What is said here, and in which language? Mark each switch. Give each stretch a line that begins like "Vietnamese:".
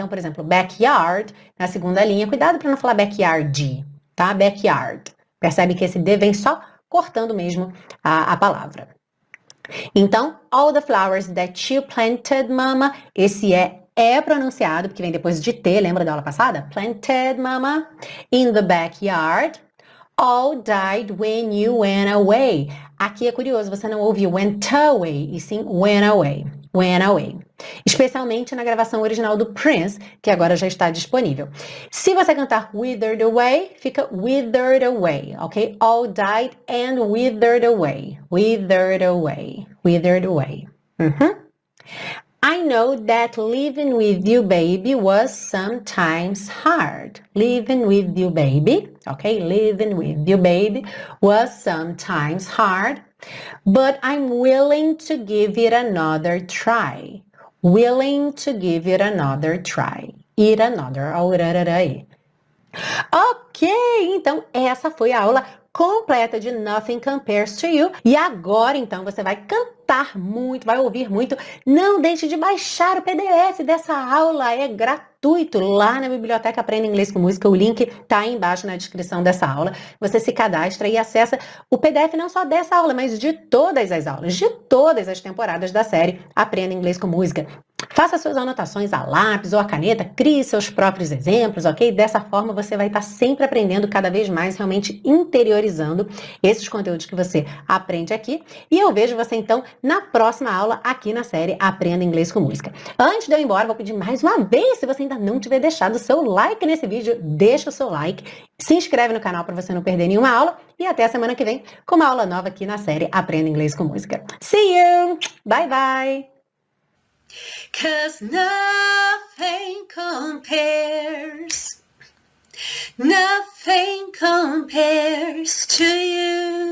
Portuguese: Então, por exemplo, backyard na segunda linha, cuidado para não falar backyard, tá? Backyard. Percebe que esse D vem só cortando mesmo a palavra.
English: Então, all the flowers that you planted, mama.
Portuguese: Esse é pronunciado, porque vem depois de T, lembra da aula passada?
English: Planted, mama, in the backyard. All died when you went away.
Portuguese: Aqui é curioso, você não ouviu went away, e sim went away. Went away. Especialmente na gravação original do Prince, que agora já está disponível. Se você cantar withered away, fica withered away, ok?
English: All died and withered away. Withered away. Withered away. I know that living with you, baby, was sometimes hard. Living with you, baby, okay? Living with you, baby, was sometimes hard. But I'm willing to give it another try. Willing to give it another try. Eat another.
Portuguese: Olha o rarará aí. Ok, então essa foi a aula completa de Nothing Compares to You. E agora então você vai cantar muito, vai ouvir muito. Não deixe de baixar o PDF dessa aula, é gratuito lá na Biblioteca Aprenda Inglês com Música. O link está aí embaixo na descrição dessa aula. Você se cadastra e acessa o PDF não só dessa aula, mas de todas as aulas, de todas as temporadas da série Aprenda Inglês com Música. Faça suas anotações a lápis ou a caneta, crie seus próprios exemplos, ok? Dessa forma você vai estar sempre aprendendo cada vez mais, realmente interiorizando esses conteúdos que você aprende aqui. E eu vejo você então na próxima aula aqui na série Aprenda Inglês com Música. Antes de eu ir embora, vou pedir mais uma vez, se você ainda não tiver deixado o seu like nesse vídeo, deixa o seu like, se inscreve no canal para você não perder nenhuma aula e até a semana que vem com uma aula nova aqui na série Aprenda Inglês com Música.
English: See you! Bye, bye! 'Cause nothing compares, nothing compares to you.